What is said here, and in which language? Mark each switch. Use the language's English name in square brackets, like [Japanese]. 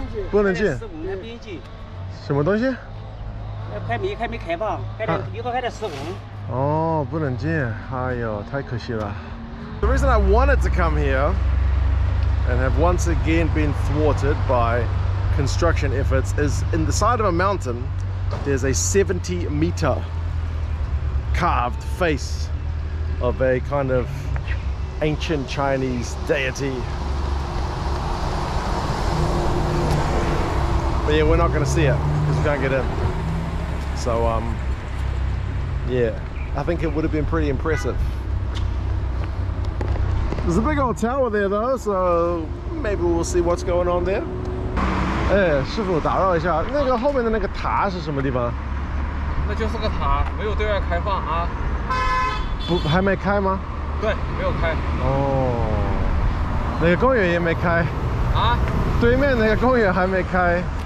[Chinese] 不能进。什么东西？还没开放，还得一会儿还得施工。哦，不能进，哎呦，太可惜了。 [English] The reason I wanted to come here and have once again been thwarted by construction efforts is in the side of a mountain, there's a 70 meter carved face of a kind of ancient Chinese deity. But yeah, we're not gonna see it because we can't get in. So yeah, I think it would have been pretty impressive. There's a big old tower there though, so maybe we'll see what's going on there. Hey, [Chinese] 师傅打扰一下，那个后面的那个塔是什么地方？那就是个塔，没有对外开放啊。不，还没开吗？对，没有开。哦，那个公园也没开。啊？对面那个公园还没开。